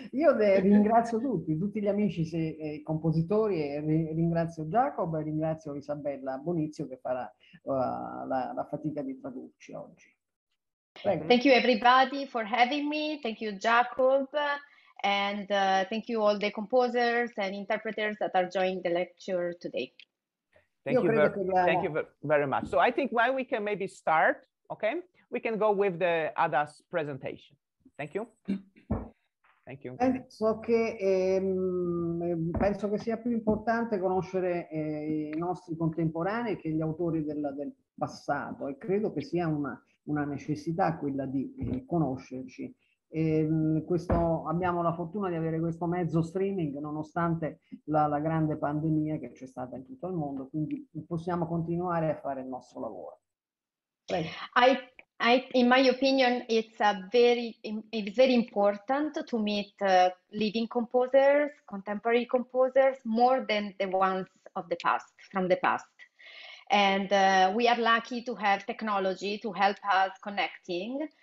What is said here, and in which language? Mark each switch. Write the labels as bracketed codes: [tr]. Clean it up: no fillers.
[it] Io ringrazio tutti gli amici i compositori, e ringrazio Giacomo e ringrazio Isabella Bonizio che farà la fatica di tradurci oggi. [en] Thank you everybody for having me. Thank you, Jacob. And thank you all the composers and interpreters that are joining the lecture today. Thank you very much. So I think while we can maybe start, okay, we can go with the Ada's presentation. Thank you. [it] Penso che sia più importante conoscere i nostri contemporanei che gli autori del passato, e credo che sia una necessità quella di conoscerci. Abbiamo la fortuna di avere questo mezzo streaming nonostante la grande pandemia che c'è stata in tutto il mondo, quindi possiamo continuare a fare il nostro lavoro. [en] I, in my opinion, it's very important to meet living composers, contemporary composers, more than the ones from the past. And we are lucky to have technology to help us connecting.